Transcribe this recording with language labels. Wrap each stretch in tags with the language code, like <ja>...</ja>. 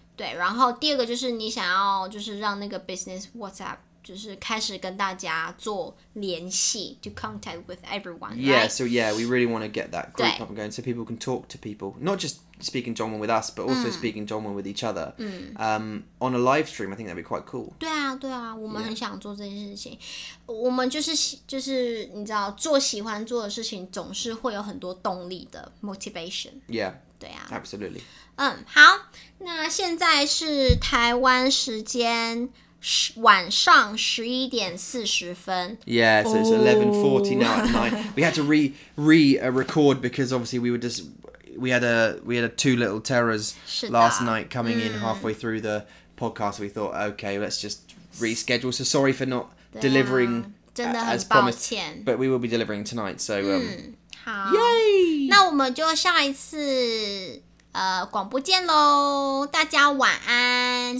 <zh>对，然后第二个就是你想要就是让那个 business WhatsApp就是开始跟大家做联系</zh> <en>to contact with everyone. Yeah,、 right? so yeah, we really want to get that group up and going so people can talk to people. Not just speaking Zhongmen with us, but also speaking Zhongmen with each other. On a live stream, I think that'd be quite cool.</en> <zh>对啊对啊我们很想做这件事情。我们就是你知道做喜欢做的事情总是会有很多动力的 motivation.</zh> <en>Yeah.</en> <zh>对啊</zh> <en>Absolutely.</en> <zh>好那现在是台湾时间。晚上11:40</zh> <en>Yeah, so it's 11:40 now at night. We had to re-record because obviously we had two little terrors last night coming in halfway through the podcast. We thought, okay, let's just reschedule. So sorry for not delivering as promised, but we will be delivering tonight. So, yay!</en> <zh>那我们就下一次广播见喽！大家晚安。</zh>